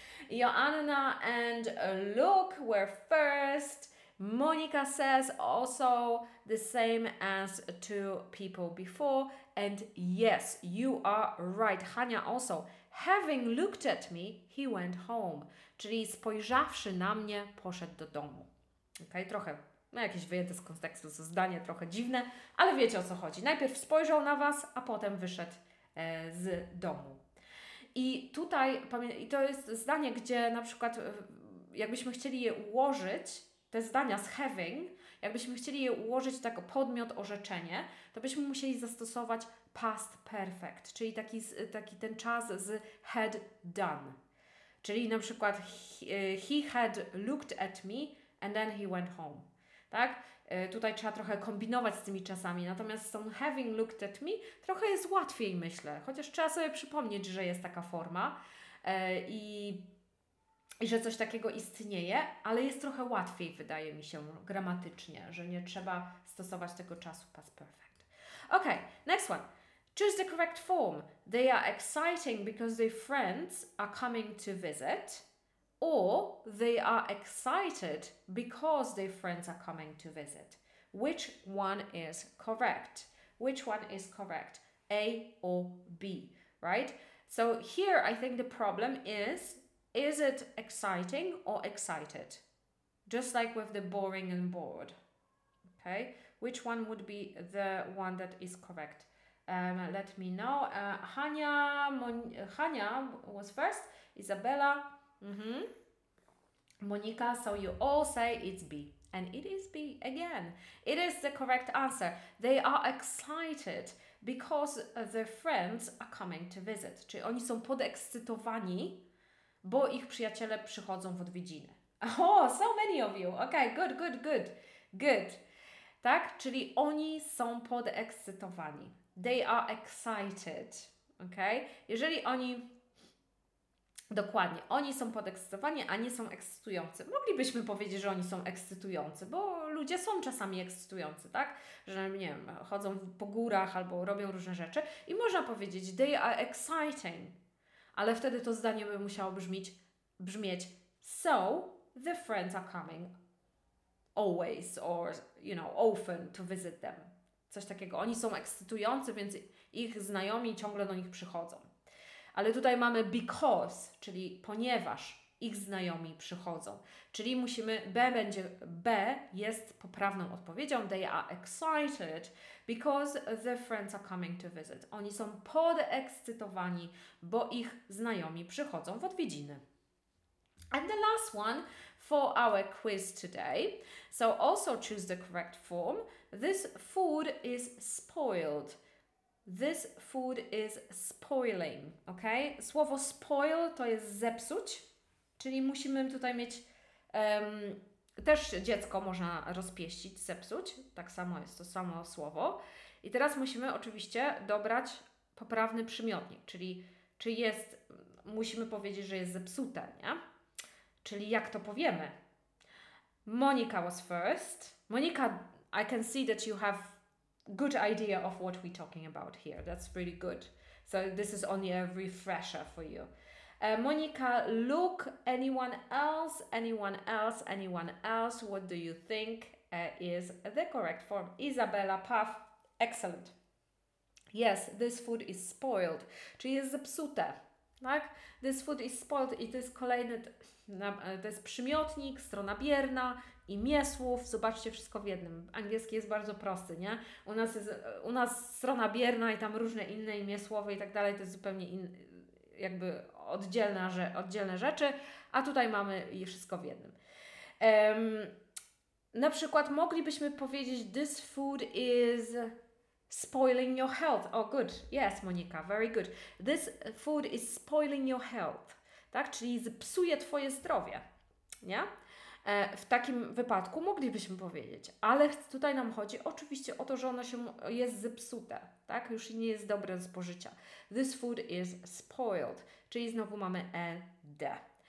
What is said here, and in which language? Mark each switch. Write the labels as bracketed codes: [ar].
[en] Joanna and Luke were first. Monika says also the same as two people before. And yes, you are right. Hania also. Having looked at me, he went home. [pl] Czyli spojrzawszy na mnie, poszedł do domu. Okay, trochę, no jakieś wyjęte z kontekstu, to zdanie trochę dziwne, ale wiecie, o co chodzi. Najpierw spojrzał na was, a potem wyszedł z domu. I tutaj, i to jest zdanie, gdzie na przykład, jakbyśmy chcieli je ułożyć, te zdania z having, jakbyśmy chcieli je ułożyć tak podmiot, orzeczenie, to byśmy musieli zastosować past perfect, czyli taki ten czas z had done. Czyli na przykład [en] he had looked at me and then he went home. [pl] Tak? Tutaj trzeba trochę kombinować z tymi czasami. Natomiast z tą [en] having looked at me [pl] trochę jest łatwiej, myślę. Chociaż trzeba sobie przypomnieć, że jest taka forma i że coś takiego istnieje, ale jest trochę łatwiej, wydaje mi się, gramatycznie, że nie trzeba stosować tego czasu past perfect. [en] Ok, next one. Choose the correct form. They are exciting because their friends are coming to visit. Or they are excited because their friends are coming to visit. Which one is correct? Which one is correct? A or B, right? So here I think the problem is it exciting or excited? Just like with the boring and bored. Okay, which one would be the one that is correct? Let me know. Hania was first. Isabella. Mm-hmm. Monika, so you all say it's B. And it is B again. It is the correct answer. They are excited because their friends are coming to visit. [pl] Czyli oni są podekscytowani, bo ich przyjaciele przychodzą w odwiedziny. [en] Oh, so many of you. Okay, good, good, good. Good. [pl] Tak? Czyli oni są podekscytowani. [en] They are excited. Okay? [pl] Jeżeli oni... Dokładnie. Oni są podekscytowani, a nie są ekscytujący. Moglibyśmy powiedzieć, że oni są ekscytujący, bo ludzie są czasami ekscytujący, tak? Że, nie wiem, chodzą po górach albo robią różne rzeczy. I można powiedzieć, [en] they are exciting. [pl] Ale wtedy to zdanie by musiało brzmieć, [en] so the friends are coming always or, you know, often to visit them. [pl] Coś takiego. Oni są ekscytujący, więc ich znajomi ciągle do nich przychodzą. Ale tutaj mamy because, czyli ponieważ ich znajomi przychodzą. Czyli musimy, B jest poprawną odpowiedzią. [en] They are excited because their friends are coming to visit. [pl] Oni są podekscytowani, bo ich znajomi przychodzą w odwiedziny. [en] And the last one for our quiz today. So also choose the correct form. This food is spoiled. This food is spoiling, ok? [pl] Słowo spoil to jest zepsuć, czyli musimy tutaj mieć, też dziecko można rozpieścić, zepsuć, tak samo jest to samo słowo. I teraz musimy oczywiście dobrać poprawny przymiotnik, czyli czy jest, musimy powiedzieć, że jest zepsute, nie? Czyli jak to powiemy? [en] Monika was first. Monika, I can see that you have good idea of what we're talking about here. That's really good. So this is only a refresher for you. Monika, look, anyone else? Anyone else? Anyone else? What do you think is the correct form? Isabella, puff. Excellent. Yes, this food is spoiled. [pl] Czyli jest zepsute. Tak? [en] This food is spoiled. [pl] I to jest kolejny, to jest przymiotnik, strona bierna. Imię słów, zobaczcie, wszystko w jednym. Angielski jest bardzo prosty, nie? U nas strona bierna i tam różne inne imię słowa i tak dalej, to jest zupełnie jakby oddzielne rzeczy, a tutaj mamy je wszystko w jednym. Na przykład moglibyśmy powiedzieć [en] this food is spoiling your health. Oh, good. Yes, Monika, very good. This food is spoiling your health. [pl] Tak? Czyli psuje twoje zdrowie, nie? W takim wypadku moglibyśmy powiedzieć, ale tutaj nam chodzi oczywiście o to, że ono się jest zepsute, tak? Już nie jest dobre do spożycia. [en] This food is spoiled, [pl] czyli znowu mamy ed.